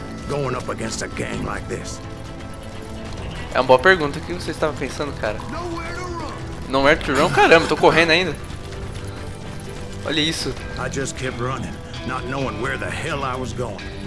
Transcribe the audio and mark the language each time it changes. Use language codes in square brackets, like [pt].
[en] Going up against a gang like this. [pt] É uma boa pergunta, o que você estava pensando, cara? [en] Nowhere to run? [pt] Caramba, tô correndo ainda. Olha isso. [en] I just kept running, not knowing where the hell I was going.